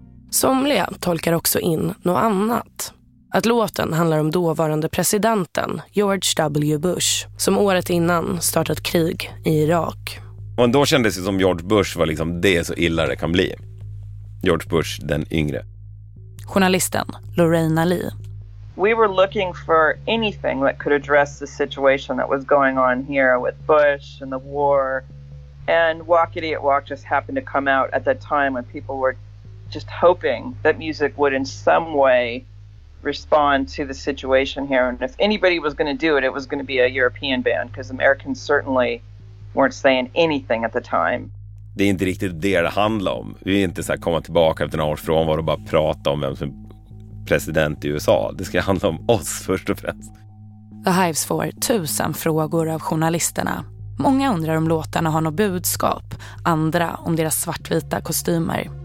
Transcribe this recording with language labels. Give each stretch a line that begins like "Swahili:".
Swedish: Somliga tolkar också in något annat. Att låten handlar om dåvarande presidenten George W. Bush som året innan startat krig i Irak. Och då kändes det som George Bush var liksom det så illa det kan bli. George Bush, den yngre. Journalisten Lorena Lee.
English: We were looking for anything that could address the situation that was going on here with Bush and the war. And Walk Idiot Walk just happened to come out at that time when people were just hoping that music would in some way respond to the situation here. And if anybody was going to do it, it was going to be a European band, because Americans certainly weren't saying anything at the time.
Swedish: det är inte riktigt det handlar om. Vi vill inte så här komma tillbaka efter några år från var och bara prata om vem som är president i USA. Det ska handla om oss först och främst. The Hives får 1000 frågor av journalisterna. Många undrar om låtarna har något budskap, andra om deras svartvita kostymer.